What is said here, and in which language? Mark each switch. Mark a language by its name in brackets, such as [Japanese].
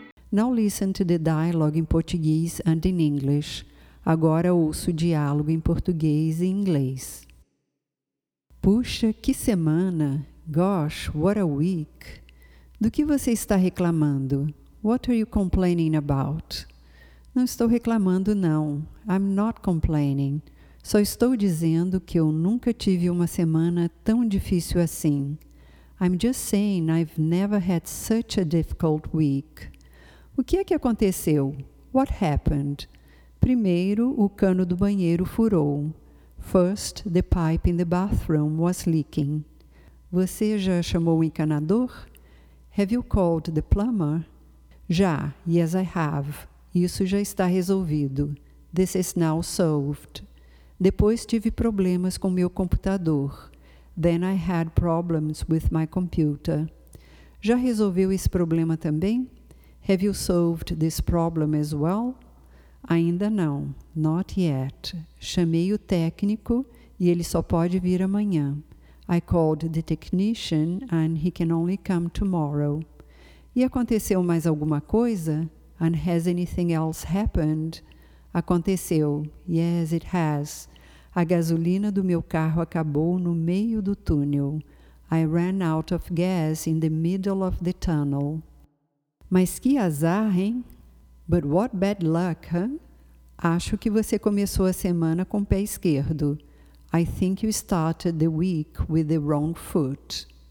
[English] Now listen to the dialogue in Portuguese and in English. [Portuguese] Agora ouço o diálogo em português e inglês. Puxa, que semana! [English] Gosh, what a week! [Portuguese] Do que você está reclamando? [English] What are you complaining about? [Portuguese] Não estou reclamando, não. [English] I'm not complaining. [Portuguese] Só estou dizendo que eu nunca tive uma semana tão difícil assim. [English] I'm just saying I've never had such a difficult week. [Portuguese] O que é que aconteceu? [English] What happened? [Portuguese] Primeiro, o cano do banheiro furou. [English] First, the pipe in the bathroom was leaking. [Portuguese] Você já chamou o encanador? [English] Have you called the plumber? [Portuguese] Já, [English] yes I have. [Portuguese] Isso já está resolvido. [English] This is now solved. [Portuguese] Depois tive problemas com meu computador. [English] Then I had problems with my computer. [Portuguese] Já resolveu esse problema também? [English] Have you solved this problem as well? [Portuguese] Ainda não. [English] Not yet. [Portuguese] Chamei o técnico e ele só pode vir amanhã. [English] I called the technician and he can only come tomorrow. [Portuguese] E aconteceu mais alguma coisa? [English] And has anything else happened? [Portuguese] Aconteceu. [English] Yes, it has. [Portuguese] A gasolina do meu carro acabou no meio do túnel. [English] I ran out of gas in the middle of the tunnel. [Portuguese] Mas que azar, hein? [English] But what bad luck, huh? [Portuguese] Acho que você começou a semana com o pé esquerdo. [English] I think you started the week with the wrong foot.